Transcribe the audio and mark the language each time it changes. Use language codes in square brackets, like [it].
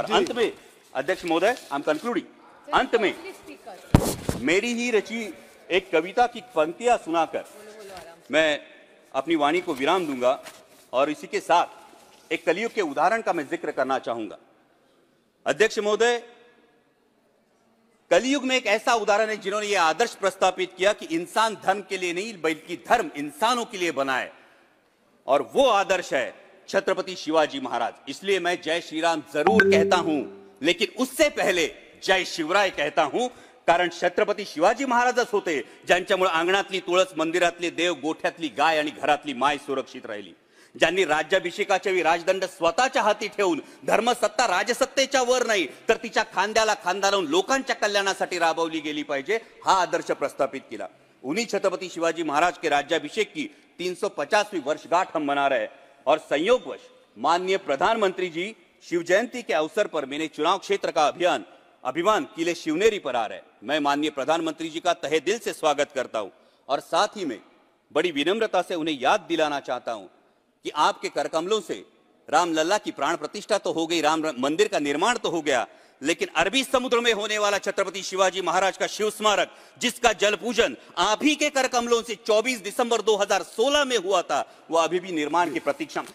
[hi] अंत में अध्यक्ष महोदय, [en] I am concluding, [hi] अंत में मेरी ही रची एक कविता की पंक्तियां सुनाकर मैं अपनी वाणी को विराम दूंगा और इसी के साथ एक कलियुग के उदाहरण का मैं जिक्र करना चाहूंगा। अध्यक्ष महोदय, कलियुग में एक ऐसा उदाहरण है जिन्होंने यह आदर्श प्रस्तापित किया कि इंसान धर्म के लिए नहीं बल्कि धर्म इंसानों के लिए बनाए, और वो आदर्श है छत्रपति शिवाजी महाराज। इसलिए मैं जय श्री राम जरूर कहता हूं, [mr] लेकिन उससे पहले जय शिवराय कहता हूं, कारण छत्रपति शिवाजी महाराज होते ज्यांच्यामुळे अंगणातली तुळस, मंदिरातले देव, गोठ्यातली गाय आणि घरातली माय सुरक्षित राहिली, ज्यांनी राज्याभिषेकाच्या वेळी राजदंड स्वतःच्या हाती ठेवून धर्मसत्ता राजसत्तेच्या वर नाही तर तिच्या खांद्याला खांदा लावून लोकांच्या कल्याणासाठी राबवली गेली पाहिजे, हा आदर्श प्रस्थापित केला। [hi] उन्हीं छत्रपती शिवाजी महाराज के राज्याभिषेक की 350वीं वर्षगांठ हम मना रहे, और संयोगवश माननीय प्रधानमंत्री जी शिव जयंती के अवसर पर मेरे चुनाव क्षेत्र का अभिमान किले शिवनेरी पर आ रहे। मैं माननीय प्रधानमंत्री जी का तहे दिल से स्वागत करता हूं और साथ ही में बड़ी विनम्रता से उन्हें याद दिलाना चाहता हूं कि आपके करकमलों से रामलला की प्राण प्रतिष्ठा तो हो गई, राम मंदिर का निर्माण तो हो गया, लेकिन अरबी समुद्र में होने वाला छत्रपति शिवाजी महाराज का शिव स्मारक, जिसका जल पूजन आप ही के करकमलों से 24 दिसंबर 2016 में हुआ था, वो अभी भी निर्माण की प्रतीक्षा।